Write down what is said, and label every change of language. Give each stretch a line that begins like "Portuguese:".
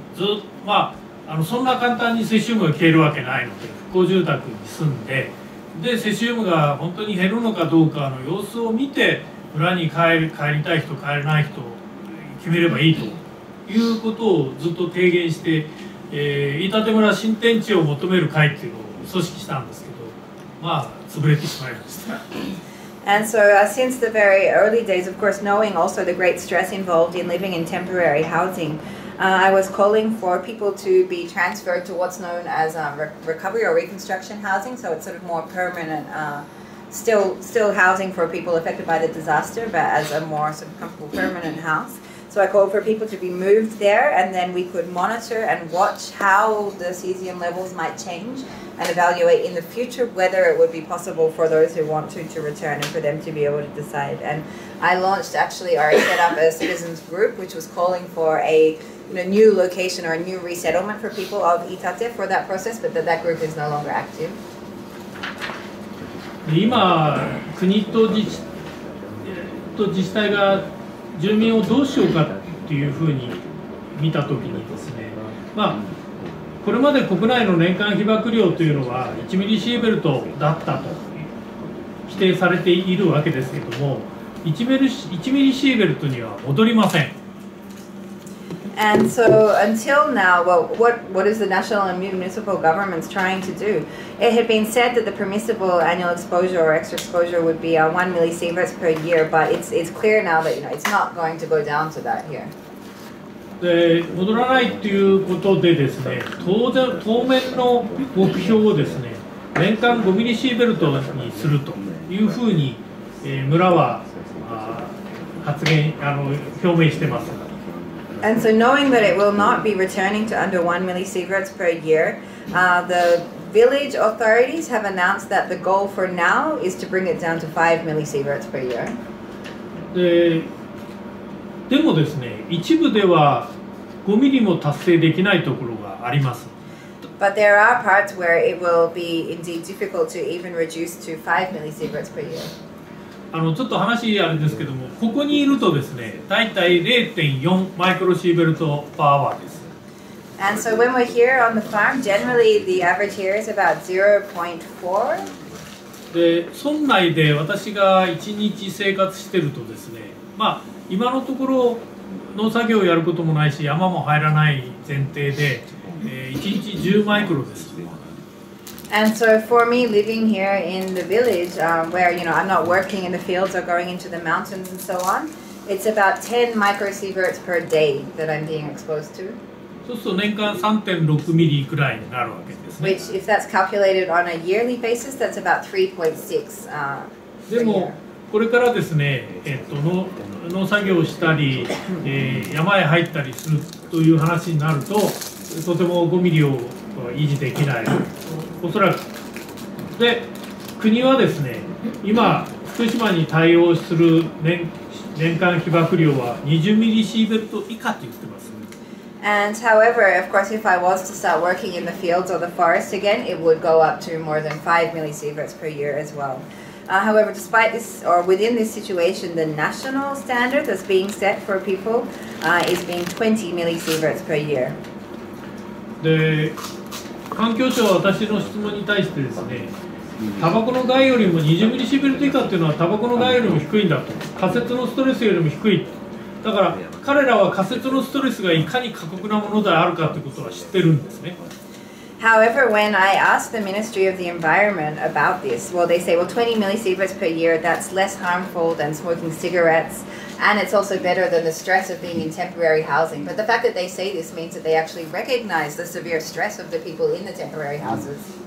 Japanese: ずまあそんな簡単にセシウムが消えるわけないので復興住宅に住んで、でセシウムが本当に減るのかどうかの様子を見て村に帰りたい人帰れない人決めればいいということをずっと提言して、飯舘村新天地を求める会っていうのを組織したんですけど、まあ潰れてしまいました。
English: And so, since the very early days, of course, knowing also the great stress involved in living in temporary housing, I was calling for people to be transferred to what's known as recovery or reconstruction housing. So it's sort of more permanent, still housing for people affected by the disaster, but as a more sort of comfortable permanent house. So I called for people to be moved there, and then we could monitor and watch how the cesium levels might change and evaluate in the future whether it would be possible for those who want to return and for them to be able to decide. And I launched actually, or I set up a citizens group which was calling for a new location or a new resettlement for people of Itate for that process, but that group is no longer active.
Japanese: 今国と自治体が住民をどうしようかというふうに見たときにですね、まあこれまで国内の年間被曝量というのは1ミリシーベルトだったと規定されているわけですけども、1ミリシーベルトには戻りません。
English: And so until now, well, what is the national and municipal governments trying to do? It had been said that the permissible annual exposure or extra exposure would be 1 millisievert per year, but it's clear now that, you know, it's not going to go down to that here.
Japanese: で、戻らないということでですね、当面の目標をですね、年間5ミリシーベルトにするというふうに、村は、表明してます。
English: And so knowing that it will not be returning to under 1 millisievert per year, the village authorities have announced that the goal for now is to bring it down to 5 millisievert per year.
Japanese: でもですね、一部では5ミリも達成できないところがあります。
English: But there are parts where it will be indeed difficult to even reduce to 5 millisievert per year.
Japanese: ちょっと話あるんですけども、ここにいるとですね、だいたい 0.4 マイクロシーベルトパワーです。
English: And so when we're here on the farm, generally the average here is about 0.4.
Japanese: で、村内で私が一日生活してるとですね、まあ今のところ農作業をやることもないし、山も入らない前提で、一日10マイクロです。
English: And so for me living here in the village, where, you know, I'm not working in the fields or going into the mountains and so on, it's about 10 microsieverts per day that I'm being exposed to.
Japanese: そうすると年間 3.6 ミリくらいになるわけですね。
English: Which, if that's calculated on a yearly basis, that's about 3.6.
Japanese: でもこれからですね、農作業をしたり、山へ入ったりするという話になると、とても5ミリを維持できない。おそらくで国はですね今福島に対応する 年間被曝量は20ミリシーベルト以下と言ってます。
English: And however, of course, if I was to start working in the fields or the forest again, it would go up to more than 5 millisieverts per year as well. However, despite this, or within this situation, the national standard that's being set for people is being 20 millisieverts per year.
Japanese: で、環境省は私の質問に対してですね、タバコの害よりも20ミリシーベルト以下っていうのはタバコの害よりも低いんだと、仮設のストレスよりも低い。だから彼らは仮設のストレスがいかに過酷なものであるかということは知ってるんですね。
English: However, when I asked the Ministry of the Environment about this, well, they say, well, 20 millisieverts per year, that's less harmful than smoking cigarettes, and it's also better than the stress of being in temporary housing. But the fact that they say this means that they actually recognize the severe stress of the people in the temporary houses.